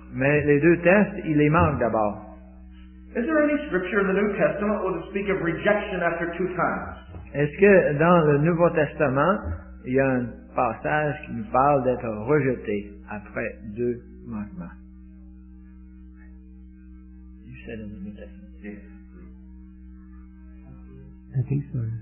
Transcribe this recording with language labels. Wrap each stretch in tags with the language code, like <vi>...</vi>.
<fr>Mais les deux tests, il les manque d'abord.</fr> <en>Is there any scripture in the New Testament that would speak of rejection after two times?</en> <fr>Est-ce que dans le Nouveau Testament, il y a un passage qui nous parle d'être rejeté après deux manquements?</fr> <en>You said in the New Testament. I think so.</en>